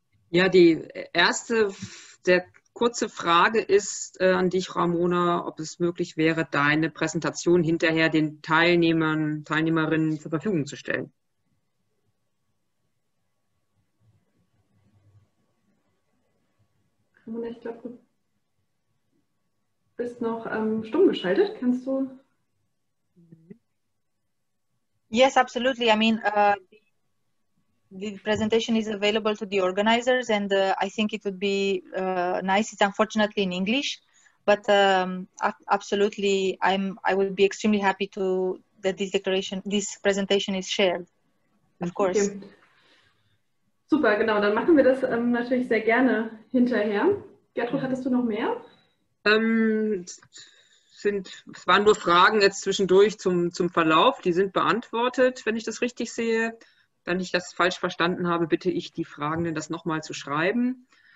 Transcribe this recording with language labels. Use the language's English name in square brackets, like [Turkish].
[German] Ja, die erste, der kurze Frage ist an dich, Ramona, ob es möglich wäre, deine Präsentation hinterher den Teilnehmern, Teilnehmerinnen zur Verfügung zu stellen. Ramona, ich glaube, du bist noch stumm geschaltet. Kannst du? [English] Yes, absolutely. I mean, the presentation is available to the organizers, and I think it would be nice. It's unfortunately in English, but absolutely, I would be extremely happy to that this presentation is shared. Of course. Okay. [German] Super, genau. Dann machen wir das natürlich sehr gerne hinterher. Gertrud, hattest du noch mehr? Es waren nur Fragen jetzt zwischendurch zum Verlauf. Die sind beantwortet, wenn ich das richtig sehe. Wenn ich das falsch verstanden habe, bitte ich die Fragenden, das nochmal zu schreiben.